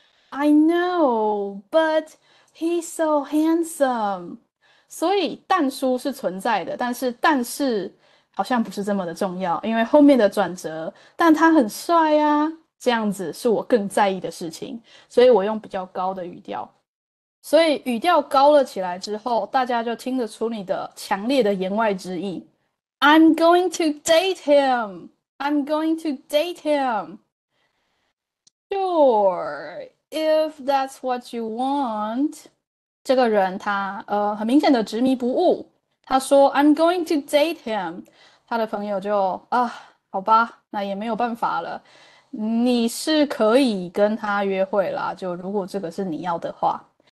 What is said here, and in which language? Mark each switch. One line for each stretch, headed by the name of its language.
English: I know, but he's so handsome.
Chinese: 所以但书是存在的，但是好像不是这么的重要，因为后面的转折，但他很帅呀，这样子是我更在意的事情，所以我用比较高的语调。所以语调高了起来之后，大家就听得出你的强烈的言外之意。
English: I'm going to date him. I'm going to date him. Sure, if that's what you want.
Chinese: 这个人他很明显的执迷不悟。他说
English: I'm going to date him.
Chinese: 他的朋友就好吧，那也没有办法了。你是可以跟他约会啦，就如果这个是你要的话。